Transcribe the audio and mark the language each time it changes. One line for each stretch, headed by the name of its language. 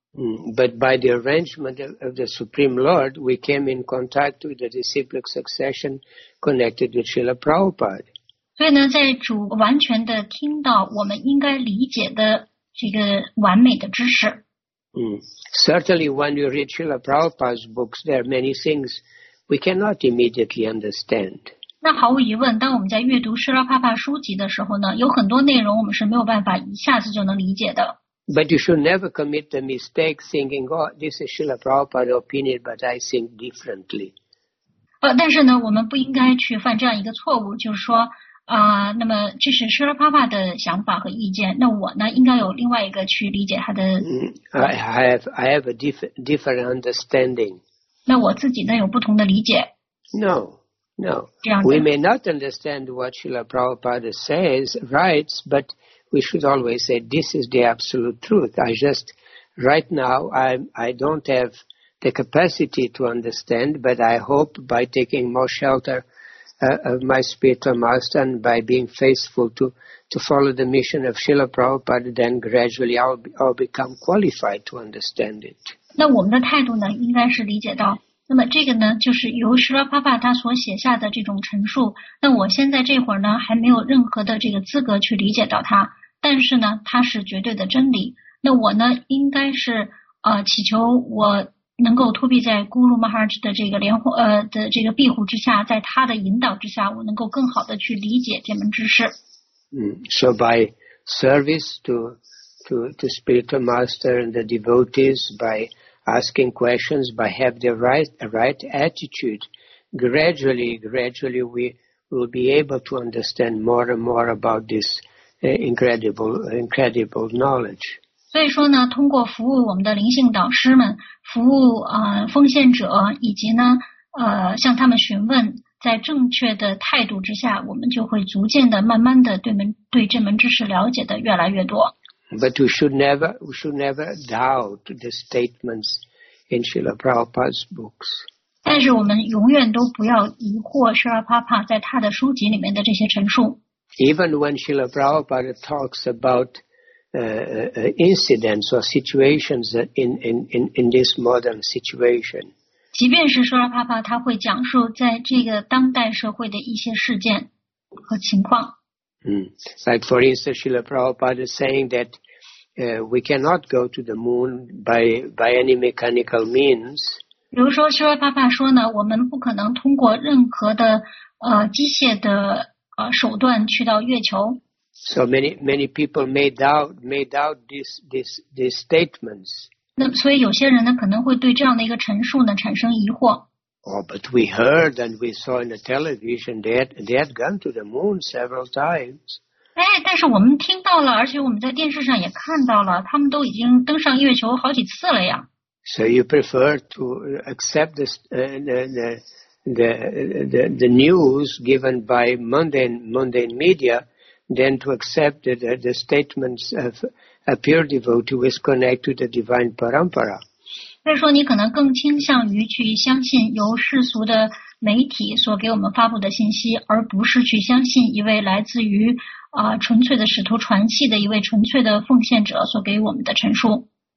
English: But by the arrangement of the Supreme Lord, we came in contact with the disciplic succession connected with Srila Prabhupada.
Chinese: 所以呢，在主完全的听到我们应该理解的这个完美的知识。
English: Certainly, when you read Srila Prabhupada's books, there are many things we cannot immediately understand.
Chinese: 那毫无疑问，当我们在阅读施拉帕帕书籍的时候呢，有很多内容我们是没有办法一下子就能理解的。
English: But you should never commit the mistake thinking, oh, this is Srila Prabhupada's opinion, but I think differently.
Chinese: 但是呢，我们不应该去犯这样一个错误，就是说，那么这是Srila Prabhupada的想法和意见，那我呢，应该有另外一个去理解他的。
English: I have a different understanding.
Chinese: 那我自己呢，有不同的理解。
English: No. We may not understand what Srila Prabhupada says, writes, but we should always say, this is the absolute truth. I just, right now, I don't have the capacity to understand, but I hope by taking more shelter of my spiritual master and by being faithful to follow the mission of Srila Prabhupada, then gradually I'll become qualified to understand it.
Chinese: 那我们的态度呢，应该是理解到，那么这个呢，就是由施拉帕帕他所写下的这种陈述。那我现在这会儿呢，还没有任何的这个资格去理解到它，但是呢，它是绝对的真理。那我呢，应该是祈求我能够托庇在咕噜马哈吉的这个莲花的这个庇护之下，在他的引导之下，我能够更好的去理解这门知识。
English: So by service to spiritual master and the devotees, by asking questions, by have the right attitude, gradually we will be able to understand more and more about this incredible knowledge.
Chinese: 所以说呢，通过服务我们的灵性导师们，服务奉献者，以及呢向他们询问，在正确的态度之下，我们就会逐渐的、慢慢的对这门知识了解的越来越多。
English: But we should never doubt the statements in Srila Prabhupada's books.
Chinese: 但是我们永远都不要疑惑 Srila Prabhupada 在他的书籍里面的这些陈述。
English: Even when Srila Prabhupada talks about incidents or situations in this modern situation.
Chinese: 即便是 Srila Prabhupada 他会讲述在这个当代社会的一些事件和情况。
English: Like for instance, Srila Prabhupada saying that we cannot go to the moon by any mechanical means.
Chinese: 比如说Srila Prabhupada说呢，我们不可能通过任何的机械的手段去到月球。
English: So many people made out these statements.
Chinese: 那所以有些人呢，可能会对这样的一个陈述呢产生疑惑。
English: Oh, but we heard and we saw in the television they had gone to the moon several times.
Chinese: 哎，但是我们听到了，而且我们在电视上也看到了，他们都已经登上月球好几次了呀。
English: So you prefer to accept this, the news given by mundane media than to accept the statements of a pure devotee who is connected to the divine parampara.
Chinese: 所以说你可能更倾向于去相信由世俗的媒体所给我们发布的信息，而不是去相信一位来自于纯粹的使徒传系的一位纯粹的奉献者所给我们的陈述。